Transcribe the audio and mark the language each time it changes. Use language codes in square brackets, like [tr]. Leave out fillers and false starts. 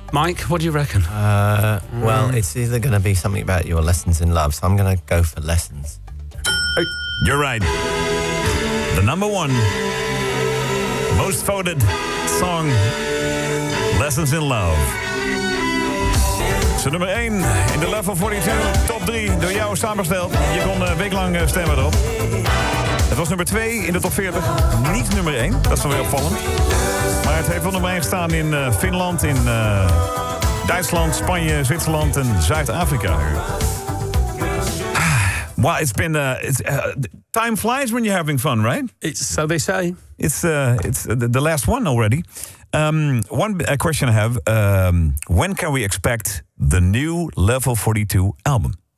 [en] Mike, what do you reckon? Well, it's either going to be something about your lessons in love, so I'm going to go for lessons. Hey, you're right. The number one most voted song, Lessons in Love. [nl] So nummer 1 in de Level 42, top 3 door jou samengesteld. Je kon een week lang stemmen erop. Het was nummer 2 in de top 40, niet nummer 1. Dat is wel weer opvallend. Maar het heeft wel nummer 1 gestaan in Finland, in Duitsland, Spanje, Zwitserland en Zuid-Afrika. [en] Well, it's been time flies when you're having fun, right? It's so they say. It's the last one already. One question I have, when can we expect the new Level 42 album?